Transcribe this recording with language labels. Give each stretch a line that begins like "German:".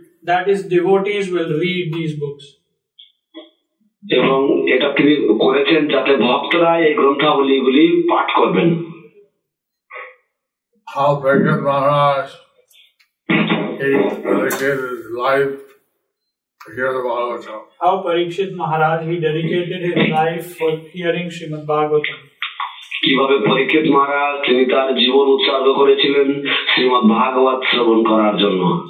English: That his devotees will read these books.
Bangla: এবং এটা তিনি করেছেন যাতে ভক্তরা এই গ্রন্থাবলীগুলি পাঠ করবেন।
English: How Bhagavan Maharaj dedicated his life to hear the Bhagavatam. How Parikshit Maharaj he dedicated his life for hearing Srimad Bhagavatam.
Bangla: কিভাবে পরীক্ষিত মহারাজ তিনি তার জীবন উৎসর্গ করেছিলেন শ্রীমদ ভাগবত শ্রবণ করার জন্য।